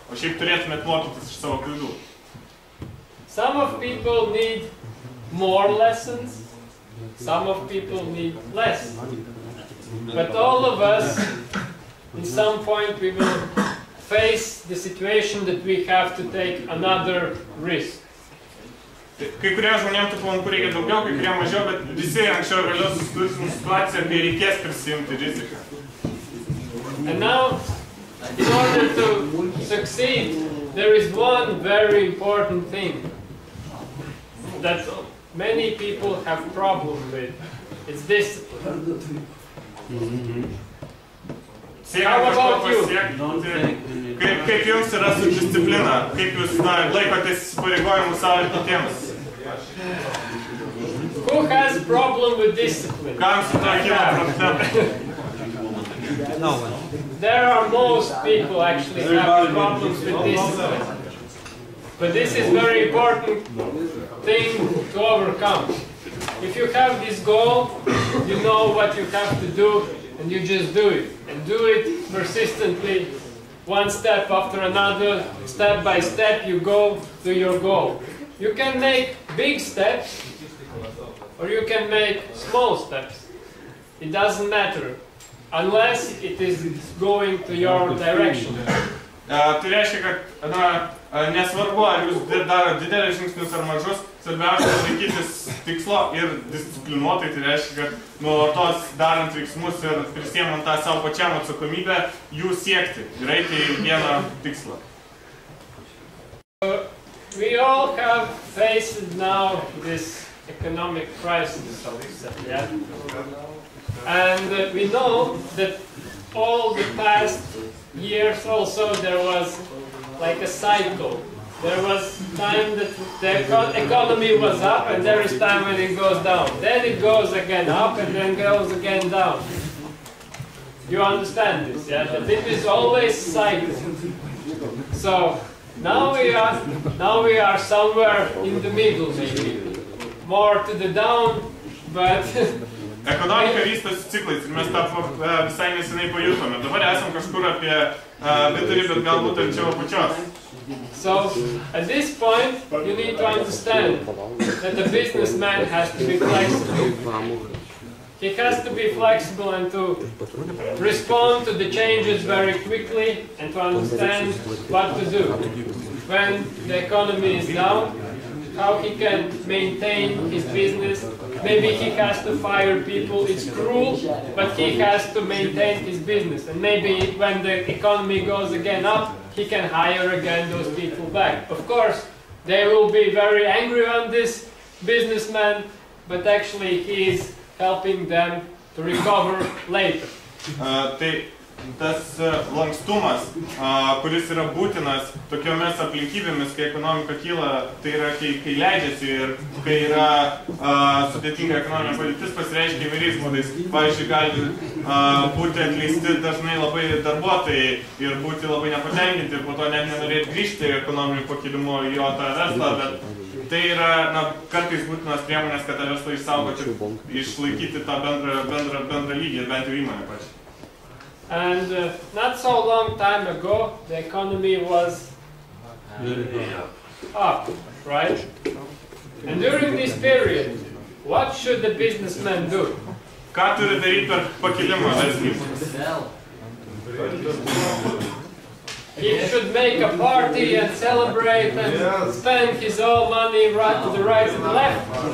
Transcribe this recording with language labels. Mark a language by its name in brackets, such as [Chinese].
[Lithuanian] O šiaip turėtumėt mokytis iš savo klaidų. [English] Some of people need more lessons, some of people need less. But all of us, in some point, we will face the situation that we have to take another risk. [Lithuanian] Kai kurie žmonėm tų palankų reikia daugiau, kai kurie mažiau, bet visi anksčiau vėliau susidursim situaciją, kai reikės prisijimti riziką. [English] And now, in order to succeed, there is one very important thing that many people have problems with. It's discipline. How about you? [Lithuanian] Kaip jums yra su disciplina? Kaip jūs laikotės įsipareigojimus savo ir kitiems? [English] Who has problem with discipline? [Lithuanian] Kam su to kyla [English] problem? There are most people actually have problems with discipline. But this is very important thing to overcome. If you have this goal, you know what you have to do, and you just do it. And do it persistently, one step after another, step by step, you go to your goal. You can make big steps, or you can make small steps. It doesn't matter, unless it is going to your direction. [Lithuanian] Tai reiškia, kad na, nesvarbu, ar jūs darot didelis žingsnius ar mažus, svarbiausia laikytis tikslo ir disciplinuotai, tai reiškia, kad nuolatos darant veiksmus ir prisiemant tą savo pačiam atsakomybę, jų siekti ir eiti į vieną tikslą. [English] We all have faced now this economic crisis, yeah? And we know that all the past years also there was like a cycle. There was time that the economy was up and there is time when it goes down. Then it goes again up and then goes again down. You understand this, yeah? But it is always cycle. So now we are somewhere in the middle maybe. More to the down, but [Lithuanian] ekonomika vystosi ciklais ir mes tą visai nesenai pajutome. Dabar esam kažkur apie vidurį, bet galbūt arčiau apačios. [English] So, at this point, you need to understand that a businessman has to be flexible. He has to be flexible and to respond to the changes very quickly and to understand what to do. When the economy is down, how he can maintain his business. Maybe he has to fire people, it's cruel, but he has to maintain his business. And maybe when the economy goes again up, he can hire again those people back. Of course, they will be very angry on this businessman, but actually he is helping them to recover later. [Lithuanian] Tas lankstumas, kuris yra būtinas tokiomis aplinkybėmis, kai ekonomika kyla, tai yra, kai leidžiasi ir kai yra sudėtinga ekonominė padėtis, pasireiškia įvairiais būdais. Pavyzdžiui, gali būti atleisti dažnai labai darbuotojai ir būti labai nepatenkinti ir po to net nenorėti grįžti ekonominių pakilimų į jo tą verslą, bet tai yra na, kartais būtinas priemonės, kad tą verslą išsaugoti, išlaikyti tą bendrą lygį, bent jau įmonę pačią. [English] And not so long time ago, the economy was up, right? And during this period, what should the businessman do? [Lithuanian] Ką turi daryti per pakilimą, [English] He should make a party and celebrate and spend his own money right to the right and left.